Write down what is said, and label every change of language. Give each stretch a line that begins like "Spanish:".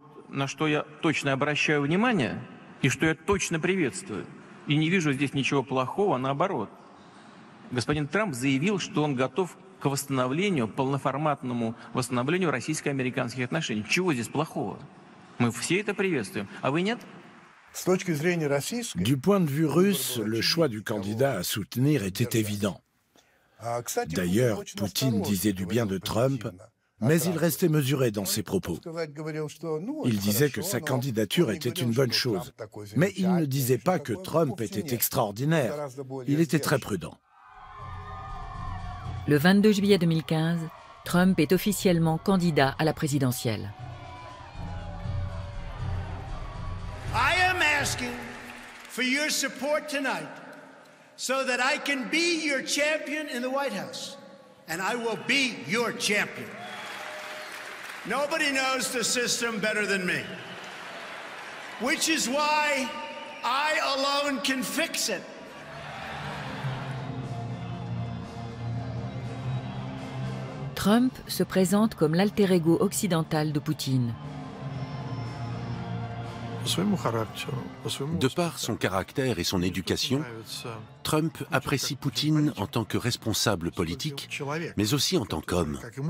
Russian: На что я точно обращаю внимание и что я точно приветствую и не вижу здесь ничего плохого, наоборот. Господин Трамп заявил, что он готов к восстановлению, полноформатному восстановлению российско-американских отношений. Чего здесь плохого? Мы все это приветствуем. А вы нет?
French: Du point de vue russe, le choix du candidat à soutenir était évident. D'ailleurs, Poutine disait du bien de Trump, mais il restait mesuré dans ses propos. Il disait que sa candidature était une bonne chose, mais il ne disait pas que Trump était extraordinaire. Il était très prudent. Le 22 juillet 2015, Trump est officiellement candidat à la présidentielle.
English: I am asking for your support tonight so that I can be your champion in the White House. And I will be your champion. Nobody knows the system better than me. Which is why I alone can fix it.
French: Trump se présente comme l'alter ego occidental de Poutine. De par son caractère et son éducation, Trump apprécie Poutine en tant que responsable politique, mais aussi en tant qu'homme.